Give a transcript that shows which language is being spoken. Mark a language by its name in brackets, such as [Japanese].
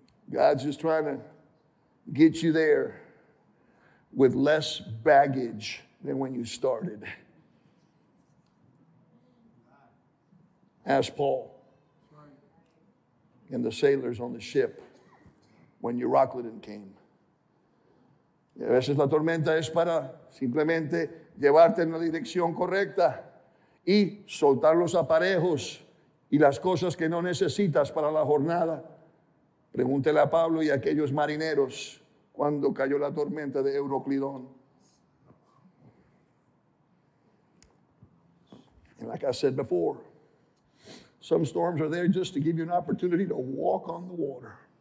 [English] God's just trying to get you there with less baggage than when you started. Ask Paul and the sailors on the ship when Euroclydon came. [Spanish] A veces la tormenta es para simplemente llevarte en la dirección correcta y soltar los aparejos y las cosas que no necesitas para la jornada. Pregúntele a Pablo y a aquellos marineros cuando cayó la tormenta de Euroclidón. [English] And like I said before, some storms are there just to give you an opportunity to walk on the water.